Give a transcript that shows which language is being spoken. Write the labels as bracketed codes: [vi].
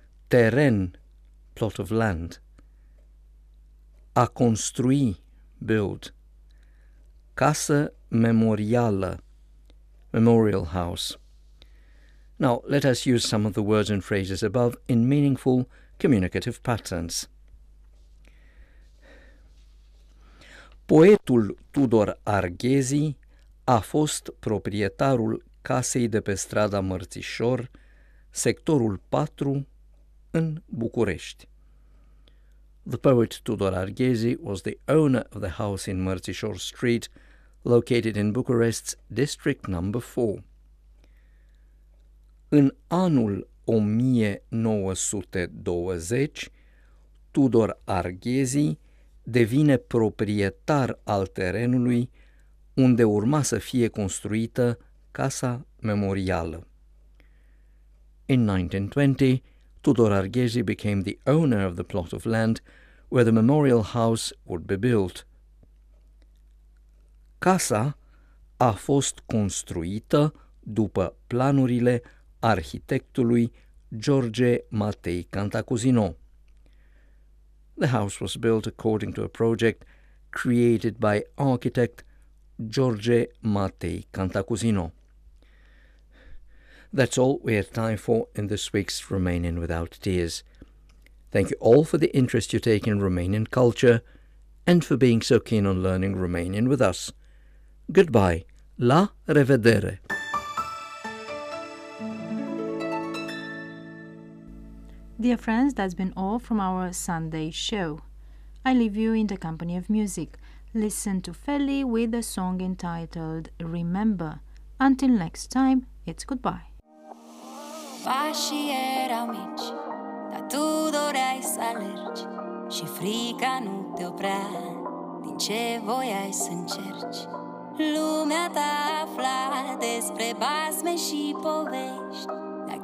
[en] Teren, plot of land. A construi, build. [ro] Casa memorială, memorial house. [en] Now, let us use some of the words and phrases above in meaningful communicative patterns. [ro] Poetul Tudor Arghezi a fost proprietarul casei de pe strada Mărțișor, Sectorul 4, în București. [en] The poet Tudor Arghezi was the owner of the house in Mărțișor Street, located in Bucharest's District No. 4. [ro] În anul 1920, Tudor Arghezi devine proprietar al terenului unde urma să fie construită casa memorială. [en] In 1920, Tudor Arghezi became the owner of the plot of land where the memorial house would be built. [ro] Casa a fost construită după planurile arhitectului George Matei Cantacuzino. [en] The house was built according to a project created by architect George Matei Cantacuzino. That's all we have time for in this week's Romanian Without Tears. Thank you all for the interest you take in Romanian culture and for being so keen on learning Romanian with us. Goodbye. [ro] La revedere. [en] Dear friends, that's been all from our Sunday show. I leave you in the company of music. Listen to Feli with a song entitled Remember. Until next time, it's goodbye. [ro] Pașii erau mici, dar tu doreai să alergi și frica nu te oprea din ce voiai să încerci. Lumea ta afla despre basme și povești, dar